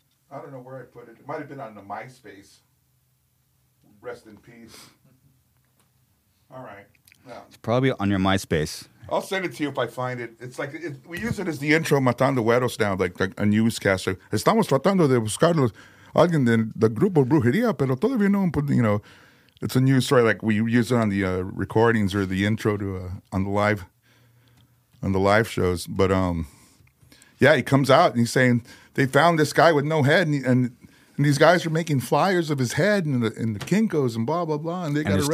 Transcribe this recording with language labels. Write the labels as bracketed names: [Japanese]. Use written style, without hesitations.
[English] I don't know where I put it. It might have been on the MySpace. Rest in peace. All right. Yeah. It's probably on your MySpace. I'll send it to you if I find it. It's like we use it as the intro, Matando Hueros now, like a newscaster. [Spanish] Estamos tratando de buscar alguien de the grupo Brujería, pero todavía no. [English] You know, it's a news story. Like we use it on the recordings or the intro to on the live shows. But yeah, he comes out and he's saying they found this guy with no head, and these guys are making flyers of his head and the Kinkos and blah blah blah, and they got arrested.